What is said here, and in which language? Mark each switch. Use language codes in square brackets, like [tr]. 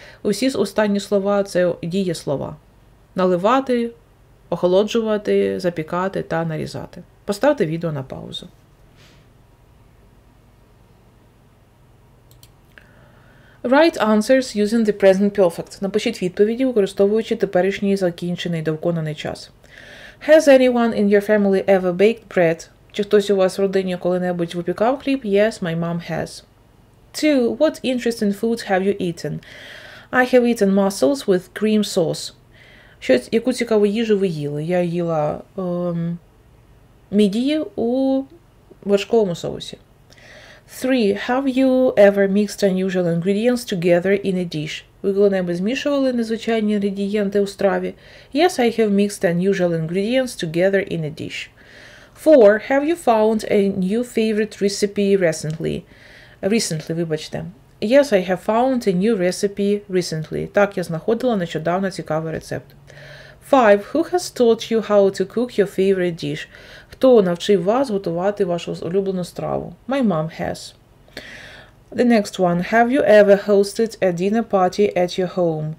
[uk] Усі останні слова – це дієслова. Наливати, охолоджувати, запікати та нарізати. Поставте відео на паузу. [en] Write answers using the present perfect. [uk] Напишіть відповіді, використовуючи теперішній закінчений довконаний час. [en] Has anyone in your family ever baked bread? [uk] Чи хтось у вас в родині коли-небудь випікав хліб? [en] Yes, my mom has. 2. What interesting foods have you eaten? I have eaten mussels with cream sauce. [uk] Щось, яку цікаву їжу ви їли? Я їла мідії у вершковому соусі. 3. [en] Have you ever mixed unusual ingredients together in a dish? [uk] Ви коли-небудь змішували незвичайні інгредієнти у страві? [en] Yes, I have mixed unusual ingredients together in a dish. 4. Have you found a new favorite recipe recently? Recently, [uk] вибачте. [en] Yes, I have found a new recipe recently. [uk] Так, я знаходила нещодавно цікавий рецепт. 5. [en] Who has taught you how to cook your favorite dish? [uk] Хто навчив вас готувати вашу улюблену страву? [en] My mom has. The next one. Have you ever hosted a dinner party at your home?